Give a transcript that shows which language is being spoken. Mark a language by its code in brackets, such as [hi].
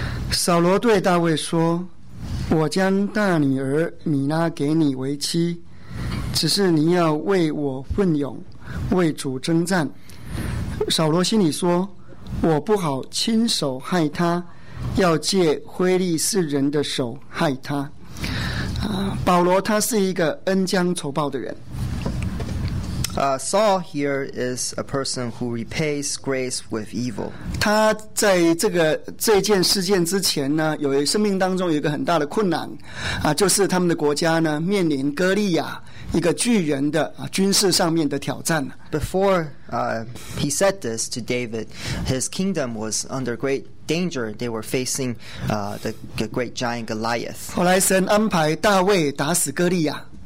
[zh] 扫罗对大卫说，我将大女儿米拉给你为妻，只是你要为我奋勇，为主征战。扫罗心里说，我不好亲手害她，要借非利士人的手害她。保罗他是一个恩将仇报的人。 [en] Saul here is a person who repays grace with evil. [zh] 他在这个这件事件之前呢，有生命当中有一个很大的困难，就是他们的国家呢面临哥利亚一个巨人的军事上面的挑战。 [en] Before he said this to David, his kingdom was under great danger. They were facing the great giant Goliath. [zh] 后来神安排大卫打死哥利亚。